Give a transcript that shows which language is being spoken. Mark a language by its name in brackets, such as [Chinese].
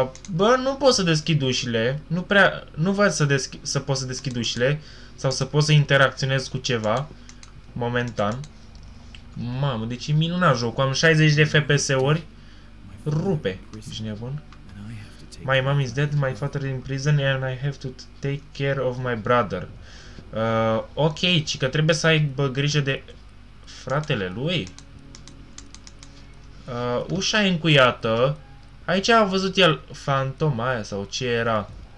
[Romanian] Bă, nu pot să deschid ușile. Nu văd să pot să deschid ușile. Sau să pot să interacționez cu ceva. Momentan. Mamă, deci e minunat jocul. Am 60 de FPS-uri. Rupe, ești nebun. [English] My mom is dead, my father in prison and I have to take care of my brother. [Romanian] Ok, ci că trebuie să ai grijă de fratele lui. Ușa încuiată. Aici a văzut el fantoma aia sau ce era.